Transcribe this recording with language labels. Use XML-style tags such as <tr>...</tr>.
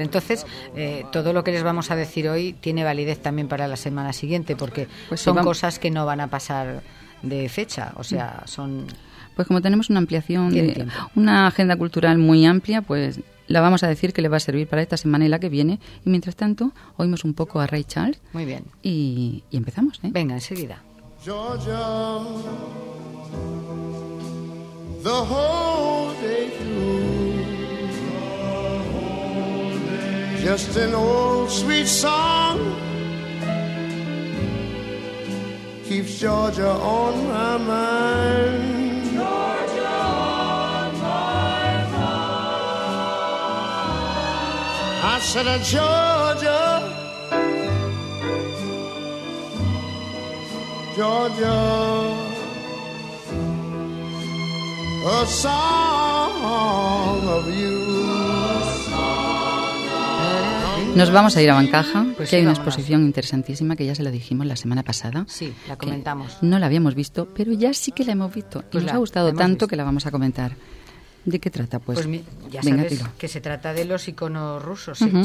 <es>Entonces, todo lo que les vamos a decir hoy tiene validez también para la semana siguiente, porque pues son cosas que no van a pasar de fecha, o sea, son... Pues como tenemos una ampliación, una agenda cultural muy amplia, pues la vamos a decir que le va a servir para esta semana y la que viene. Y mientras tanto, oímos un poco a Ray Charles. Muy bien. Y empezamos, ¿eh? Venga, enseguida.</es> <en>Georgia, the whole day through, just an old sweet song keeps Georgia on my mind. Georgia on my mind. I said, Georgia, Georgia, a song of you.</en> <es>Nos vamos a ir a Bancaja, pues que sí, hay una exposición interesantísima que ya se la dijimos la semana pasada. Sí, la comentamos. No la habíamos visto, pero ya sí que la hemos visto. Pues y nos ha gustado tanto visto. Que la vamos a comentar. ¿De qué trata, pues? Pues ya venga, sabes tira. Que se trata de los iconos rusos. Uh-huh.</es>